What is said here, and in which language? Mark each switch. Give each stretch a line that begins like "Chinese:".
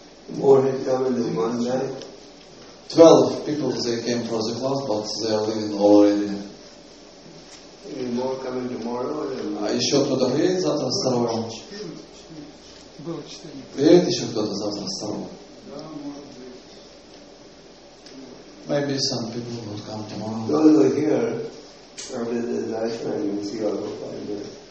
English: More coming in Monday. 12 people they came for the class, but they are leaving already. Any more coming tomorrow?
Russian: Еще кто-то приедет завтра с Сарова? Приедет еще кто-то завтра с Сарова?
English: Maybe some people will come tomorrow. Those who are here, probably the Darshan, you see all the time.